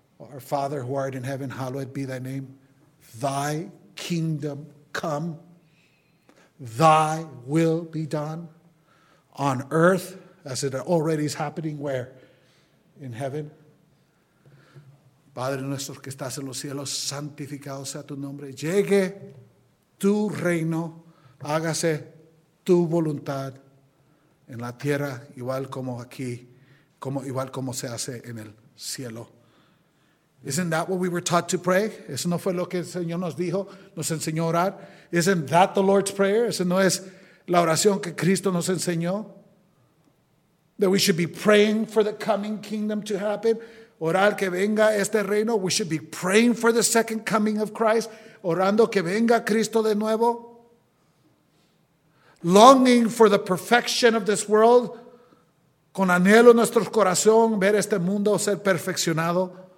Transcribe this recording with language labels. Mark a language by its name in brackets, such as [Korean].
[English] Our Father who art in heaven, hallowed be thy name. Thy kingdom come. Thy will be done on earth as it already is happening where? In heaven. [Spanish] Padre nuestro que estás en los cielos, santificado sea tu nombre. Llegue tu reino, hágase tu voluntad en la tierra, igual como aquí, igual como se hace en el cielo. [English] Isn't that what we were taught to pray? [Spanish] Eso no fue lo que el Señor nos dijo, nos enseñó a orar. [English] Isn't that the Lord's prayer? [Spanish] Eso no es la oración que Cristo nos enseñó. [English] That we should be praying for the coming kingdom to happen. [Spanish] Orar que venga este reino. [English] We should be praying for the second coming of Christ. [Spanish] Orando que venga Cristo de nuevo. [English] Longing for the perfection of this world. [Spanish] Con anhelo en nuestro corazón ver este mundo ser perfeccionado.